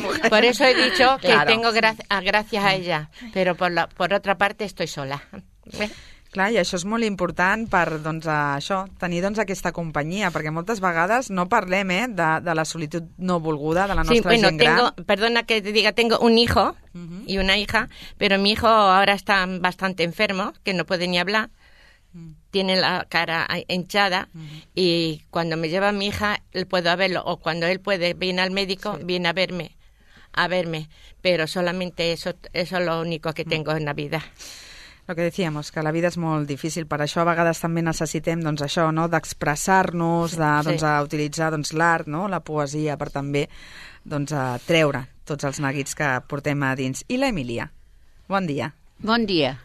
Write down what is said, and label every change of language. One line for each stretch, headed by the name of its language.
Spanish: Por eso he dicho que tengo gracias a ella, pero por otra parte estoy sola.
Catalan: Clar, i això és molt important per, doncs, això, tenir, doncs, aquesta companyia, perquè moltes vegades no parlem, de la solitud no volguda de la nostra gent gran.
Spanish: Sí, bueno, perdona que te diga, tengo un hijo y una hija, pero mi hijo ahora está bastante enfermo, que no puede ni hablar. Tiene la cara hinchada y cuando me lleva a mi hija puedo verlo, o cuando él puede, viene al médico, viene a verme, pero solamente eso es lo único que tengo en la vida. Lo que decíamos, que
Catalan: la vida és molt difícil, per això a vegades també necessitem, doncs, això, no?, d'expressar-nos, d'utilitzar, doncs, l'art, no?, la poesia, per també, doncs, a treure tots els neguits que portem a dins. I la Emília, bon dia. Bon dia.